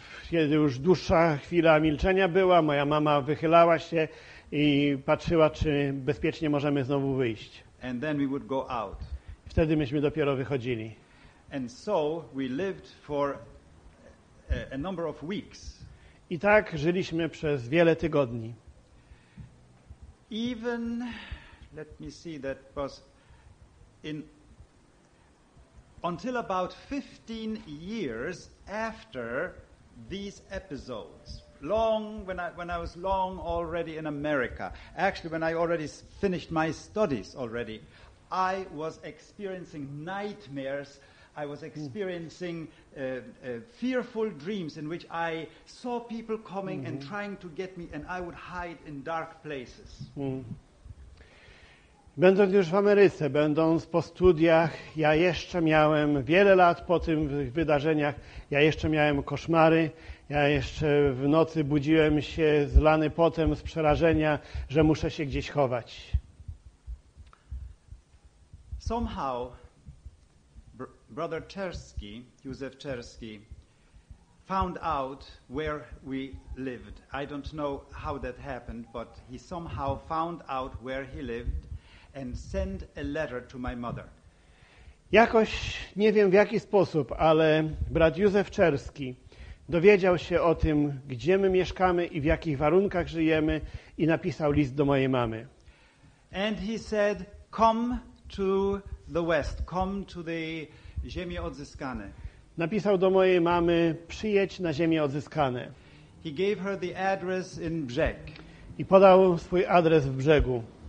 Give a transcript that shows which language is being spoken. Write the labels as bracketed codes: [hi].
[pl] Kiedy już dłuższa chwila milczenia była, moja mama wychylała się i patrzyła, czy bezpiecznie możemy znowu wyjść. [en] And then we would go out. [pl] Wtedy myśmy dopiero wychodzili. [en] And so we lived for a number of weeks. [pl] I tak żyliśmy przez wiele tygodni. [en] Even, let me see, that was in until about 15 years after these episodes. Long, when I was long already in America, actually when I already finished my studies already, I was experiencing nightmares. I was experiencing fearful dreams in which I saw people coming and trying to get me, and I would hide in dark places. [pl] Będąc już w Ameryce, będąc po studiach, ja jeszcze miałem wiele lat po tych wydarzeniach, ja jeszcze miałem koszmary. Ja jeszcze w nocy budziłem się zlany potem z przerażenia, że muszę się gdzieś chować. [en] Somehow brother Czerski, Józef Czerski, found out where we lived. I don't know how that happened, but he somehow found out where he lived and sent a letter to my mother. [pl] Jakoś, nie wiem w jaki sposób, ale brat Józef Czerski dowiedział się o tym, gdzie my mieszkamy i w jakich warunkach żyjemy, i napisał list do mojej mamy. [en] And he said, come to the West, come to the ziemie odzyskane. [pl] Napisał do mojej mamy, przyjedź na ziemie odzyskane. [en] He gave her the address in Brzeg. [pl] I podał swój adres w Brzegu.